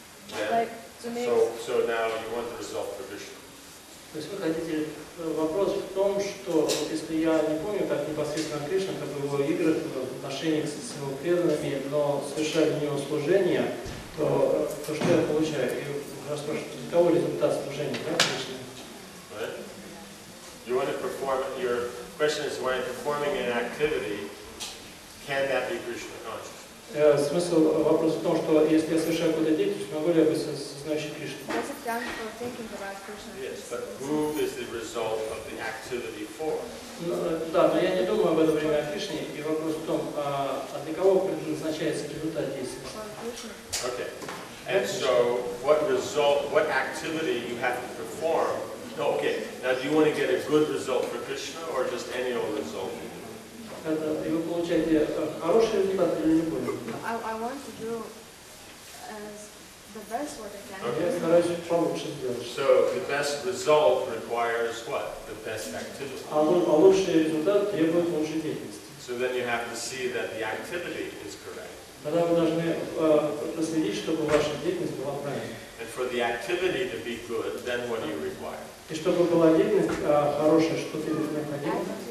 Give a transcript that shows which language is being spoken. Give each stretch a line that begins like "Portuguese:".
English: So now you want the result for Krishna.
Russian: То есть вы хотите вопрос в том, что вот если я не помню так непосредственно Кришна, как его игры, в отношениях с его преданными, но совершаю в него служение, то что я получаю? И расспрашиваю, для кого результат служения, да, Кришна?
English: Right. You want to perform, your question is why performing an activity. Can that be Krishna consciousness?
Russian: Смысл вопроса в том, что если я совершаю какую-то деятельность, могу ли я быть сознающим Кришной?
English: Does it count for thinking about Krishna? Yes, but who is the result of the activity for?
Russian: Да, но я не думаю об этом время о Кришне, и вопрос в том, а для кого предназначается результат действия?
English: Okay. And so, what result, what activity you have to perform? Okay. Now, do you want to get a good result for Krishna, or just any old result?
Russian: И вы получаете хороший результат или любой?
English: I want to do the best what I can.
Russian: Okay, стараюсь получше сделать.
English: So the best result requires what? The best activity.
Russian: А лучший результат требует лучшей деятельности.
English: So then you have to see that the activity is correct.
Russian: Тогда вы должны проследить, чтобы ваша деятельность была правильной.
English: And for the activity to be good, then what do you require?
Russian: И чтобы была деятельность хорошая, что тебе необходимо?